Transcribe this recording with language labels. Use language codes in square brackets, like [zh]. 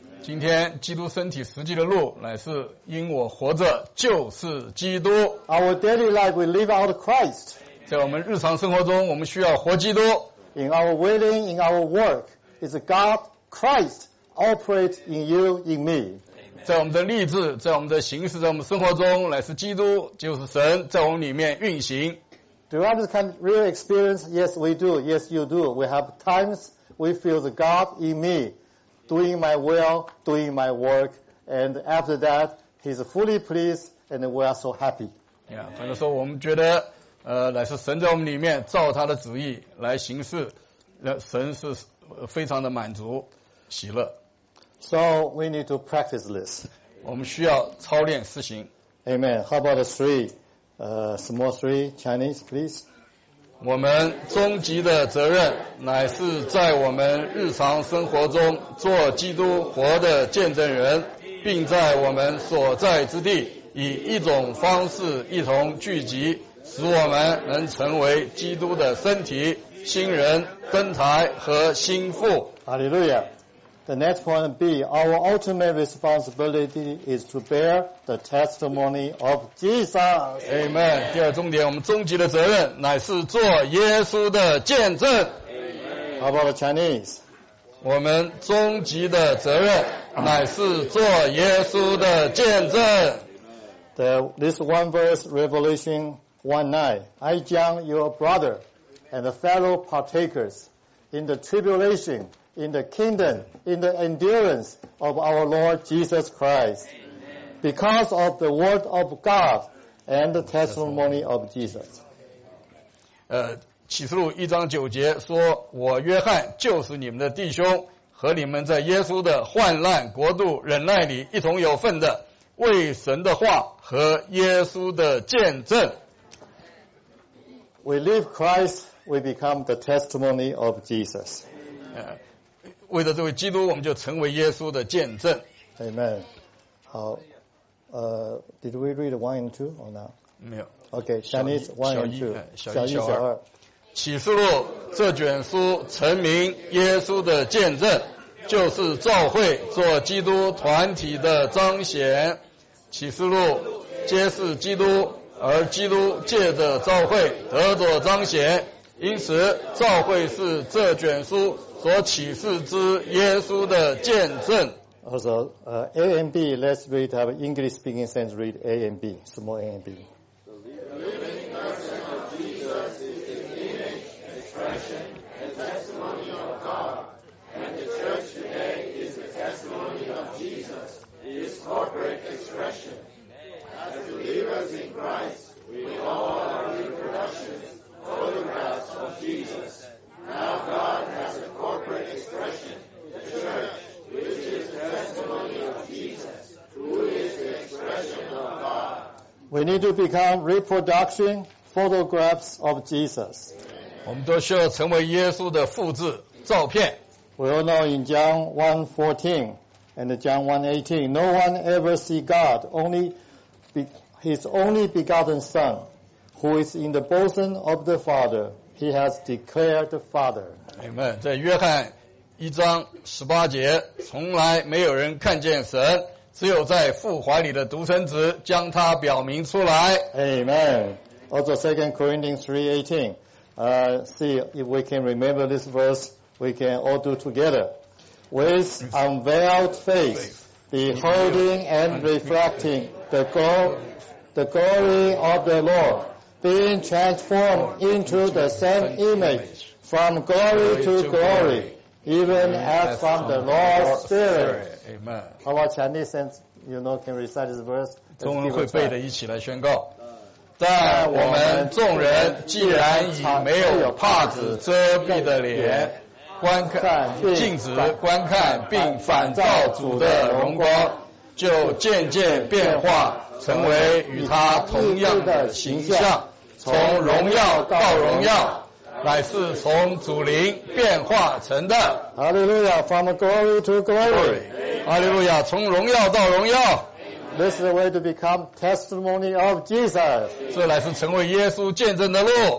[zh] 今天基督身体实际的路乃是因我活着就是基督。 [en] Our daily life, we live out Christ. [zh] 在我们日常生活中我们需要活基督。 [en] In our willing, in our work, is God, Christ, operate in you, in me. [zh] 在我们的立志，在我们的行事，在我们生活中乃是基督，就是神在我们里面运行。 [en] Do you have this kind of real experience? Yes, we do. Yes, you do. We have times we feel the God in me, doing my will, doing my work, and after that, He's fully pleased, and we are so happy. [zh] Yeah, 反正说我们觉得，乃是神在我们里面照他的旨意来行事，神是非常的满足，喜乐。 [en] So we need to practice this. [zh] 我们需要操练施行。 [en] Amen. How about the three? Small three Chinese, please. [zh] 我们终极的责任乃是在我们日常生活中做基督活的见证人，并在我们所在之地以一种方式一同聚集，使我们能成为基督的身体、新人、灯台和心腹。 [en] Hallelujah. The next point B, our ultimate responsibility is to bear the testimony of Jesus. Amen. [zh] 第二重点，我们终极的责任乃是做耶稣的见证。 [en] Amen. How about the Chinese? [zh] 我们终极的责任乃是做耶稣的见证。 [en] This one verse, Revelation 1:9, I, John, your brother and the fellow partakers in the tribulation, in the kingdom, in the endurance of our Lord Jesus Christ. Amen. Because of the word of God and the testimony of Jesus. [zh] 启示录一章九节说，我约翰就是你们的弟兄，和你们在耶稣的患难国度忍耐里一同有份的，为神的话和耶稣的见证。 [en] We live Christ, we become the testimony of Jesus. Amen. [zh] 为了这位基督，我们就成为耶稣的见证。 [en] Amen. 好，did we read one and two or not? [zh] 没有。 [en] Okay, Chinese one and two. [zh] 小一小二。启示录这卷书成名耶稣的见证，就是教会做基督团体的彰显。启示录揭示基督，而基督借着教会得着彰显。因此，教会是这卷书所启示之耶稣的见证。 [en] Also, A and B, let's read our English speaking sense, read A and B, small A and B. The living person of Jesus is the image, expression, and testimony of God. And the church today is the testimony of Jesus, his corporate expression. As believers in Christ, we all are reproductions, photographs of Jesus. Now God has a corporate expression, the church, which is the testimony of Jesus, who is the expression of God. We need to become reproduction photographs of Jesus. Amen. [zh] 我们都需要成为耶稣的复制照片。 [en] We all know in John 1:14 and John 1:18, no one ever see God, only his only begotten Son, who is in the bosom of the Father, he has declared the Father. Amen. [zh] 在约翰一章十八节，从来没有人看见神，只有在父怀里的独生子将他表明出来。 [en] Amen. Also 2 Corinthians 3:18. See if we can remember this verse, we can all do together. With unveiled face, beholding and reflecting the glory of the Lord, being transformed into the same image from glory to glory, even as from the Lord's Spirit. Amen. How about Chinese sense? You know, can recite this verse? [zh] 中文会背的一起来宣告。但我们众人既然已没有帕子遮蔽的脸，观看镜子观看并反照主的荣光，就渐渐变化成为与他同样的形象，从荣耀到荣耀，乃是从主灵变化成的。 [en] 哈利路亚， from glory to glory. [zh] 哈利路亚，从荣耀到荣耀。 [en] This is the way to become testimony of Jesus. [zh] 这乃是成为耶稣见证的路。